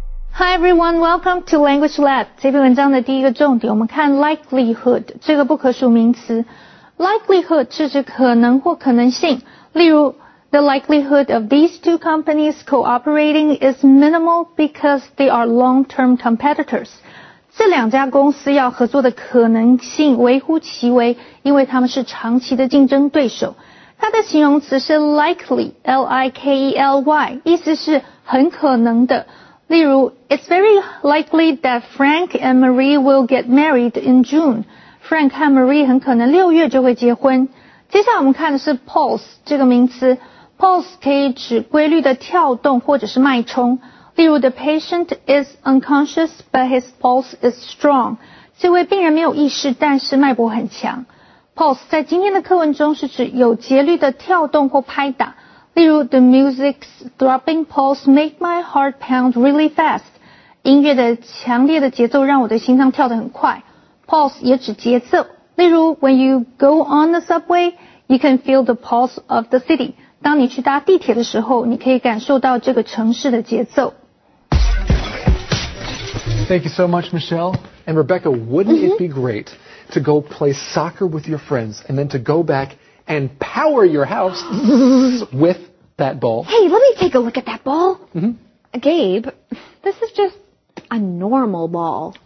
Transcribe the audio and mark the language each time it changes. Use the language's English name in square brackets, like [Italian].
[English] Hi everyone, welcome to Language Lab. [Chinese] 这篇文章的第一个重点，我们看 likelihood 这个不可数名词。 Likelihood 是指可能或可能性。例如 [English] ,the likelihood of these two companies cooperating is minimal because they are long-term competitors. [Chinese] 这两家公司要合作的可能性微乎其微，因为他们是长期的竞争对手。它的形容词是 likely,L-I-K-E-L-Y, 意思是很可能的。例如 [English] ,It's very likely that Frank and Marie will get married in June. [Chinese] Frank 和 Marie 很可能6月就会结婚。接下来我们看的是 pulse 这个名词。 pulse 可以指规律的跳动或者是脉冲。例如 [English] ,the patient is unconscious, but his pulse is strong. [Chinese] 这位病人没有意识但是脉搏很强。 pulse 在今天的课文中是指有节律的跳动或拍打。例如 [English] ,the music's throbbing pulse make my heart pound really fast. [Chinese] 音乐的强烈的节奏让我的心脏跳得很快。 pulse 也指节奏。例如 [English] ,when you go on the subway, you can feel the pulse of the city. [Chinese] 当你去搭地铁的时候你可以感受到这个城市的节奏。 [English] Thank you so much, Michelle. And Rebecca, wouldn't it be great to go play soccer with your friends and then to go back and power your house with that ball. Hey, let me take a look at that ball. Mm-hmm. Gabe, this is just a normal ball.